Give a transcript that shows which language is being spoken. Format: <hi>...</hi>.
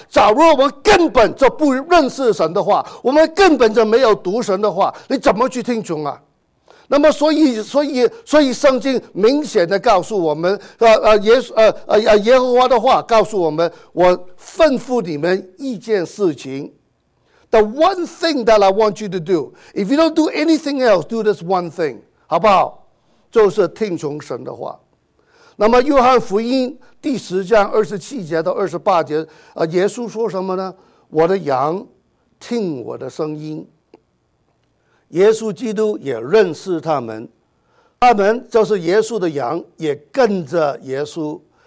<zh>假如我们根本就不认识神的话，我们根本就没有读神的话，你怎么去听从啊？那么所以圣经明显的告诉我们，耶和华的话告诉我们，我吩咐你们一件事情。</zh> <en>The one thing that I want you to do, if you don't do anything else, do this one thing,</en> <zh>好不好？就是听从神的话。那么约翰福音第十章二十七节到二十八节，耶稣说什么呢？我的羊听我的声音，耶稣基督也认识他们，他们就是耶稣的羊，也跟着耶稣。</zh>